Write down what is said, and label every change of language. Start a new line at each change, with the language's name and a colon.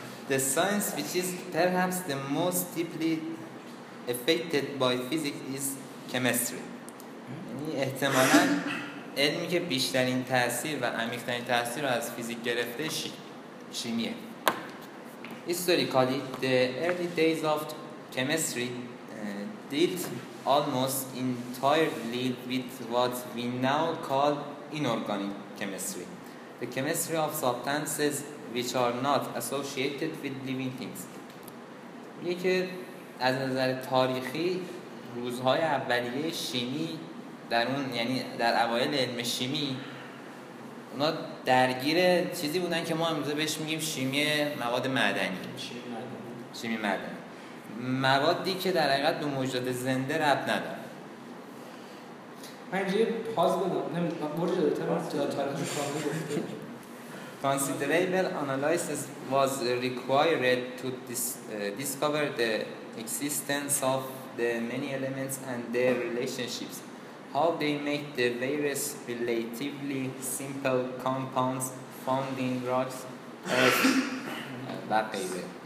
English: The science which is perhaps the most deeply affected by physics is chemistry.
Persian: یعنی احتمالاً علمی که بیشترین تأثیر و عمیق‌ترین تأثیر رو از فیزیک گرفته شیمیه.
English: Historically, the early days of chemistry dealt almost entirely with what we now call inorganic chemistry. The chemistry of substances which are not associated with living things.
Persian: یکی از نظر تاریخی روزهای اولیه شیمی در اون یعنی در اوایل علم شیمی اونا درگیر چیزی بودن که ما امروزه بهش میگیم شیمی مواد معدنی. شیمی معدنی. موادی که در حقیقت به موجودات زنده ربط نداره. من اینجا یه پاز بدم. نمیدونم. برو جده تا تاریخ رو کامل گفته.
English: considerable analysis was required to discover the existence of the many elements and their relationships, how they make the various relatively simple compounds found in rocks, earth, that paper,